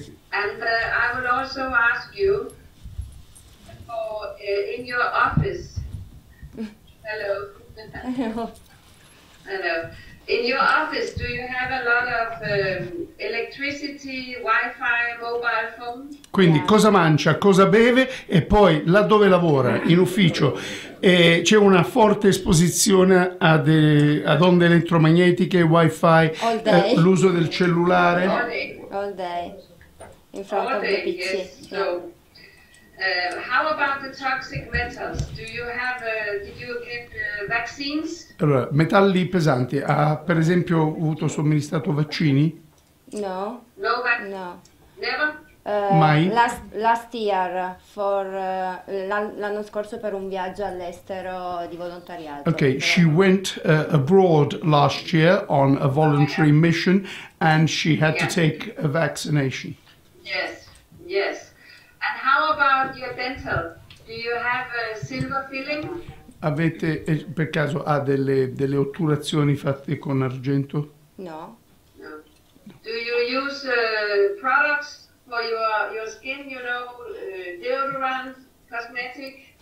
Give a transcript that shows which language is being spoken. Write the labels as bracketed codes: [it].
[en] And I would also ask you for, in your office. Hello. Hello. Hello. In your office, do you have a lot of electricity, wifi, mobile phone? [it] Quindi cosa mangia, cosa beve e poi laddove lavora, in ufficio, c'è una forte esposizione ad onde elettromagnetiche, wifi, l'uso del cellulare? [en] All day. In front all of day, the PC. Yes. Yeah. So, how about the toxic metals? Did you get vaccines? [it] Allora, metalli pesanti. Ha per esempio avuto somministrato vaccini? No. [en] No vaccine? No. Never? [it] Mai? L'anno scorso per un viaggio all'estero di volontariato. [en] Okay, she went abroad last year on a voluntary mission and she had to take a vaccination. Yes. And how about your dental? Do you have a silver filling? [it] Avete, per caso, ha delle otturazioni fatte con argento? No. [en] Do you use products for your skin, you know, deodorant, cosmetic?